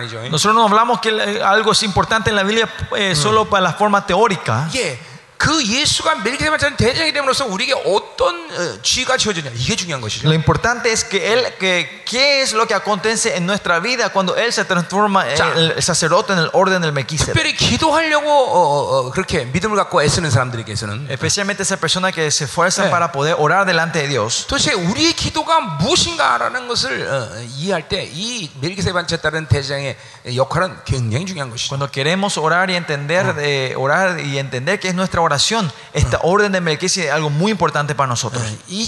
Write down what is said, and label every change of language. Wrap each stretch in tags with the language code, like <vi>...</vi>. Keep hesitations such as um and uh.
<es>Nosotros no hablamos que algo es importante en la Biblia eh, solo mm. para la forma teórica. Yeah.</es> <ko>그 예수가 멜기세덱 제사장 대장이 됨으로써 우리에게 어떤 지위가 지어졌냐 이게 중요한 것이죠.</ko> <es>Lo importante es que él que qué es lo que acontece en nuestra vida cuando él se transforma el sacerdote en el orden del Melquisedec.</es> <ko>특별히 기도하려고 그렇게 믿음을 갖고 애쓰는 사람들에게서는</ko> <es>especialmente esa persona que se esfuerza para poder orar delante de Dios.</es> <ko>도대체 우리의 기도가 무엇인가라는 것을 이해할 때이 멜기세덱 제사장 대장의 역할은 굉장히 중요한 것이죠.</ko> <es>Cuando queremos orar y entender orar y entender que es nuestra oración, esta orden de Melquisedec es algo muy importante para nosotros. ¿Eh?</es>